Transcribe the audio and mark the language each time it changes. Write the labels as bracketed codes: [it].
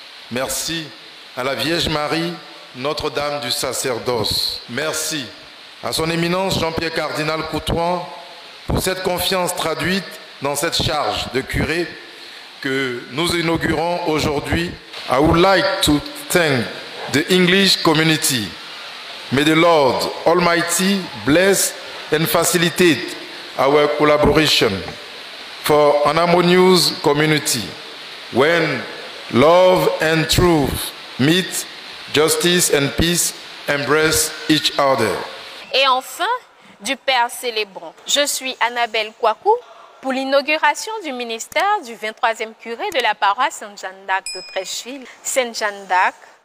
[fr] Merci à la Vierge Marie, Notre-Dame du sacerdoce. Merci à son éminence Jean-Pierre Cardinal Coutouin pour cette confiance traduite dans cette charge de curé que nous inaugurons aujourd'hui. [en] I would like to thank the English community. May the Lord Almighty bless and facilitate our collaboration for an harmonious community. When love and truth meet, justice and peace embrace each other. [fr] Et enfin, du Père célébrant. Je suis Annabelle Kouakou pour l'inauguration du ministère du 23e curé de la paroisse Saint-Jean-d'Arc de Trècheville. Saint-Jean-d'Arc,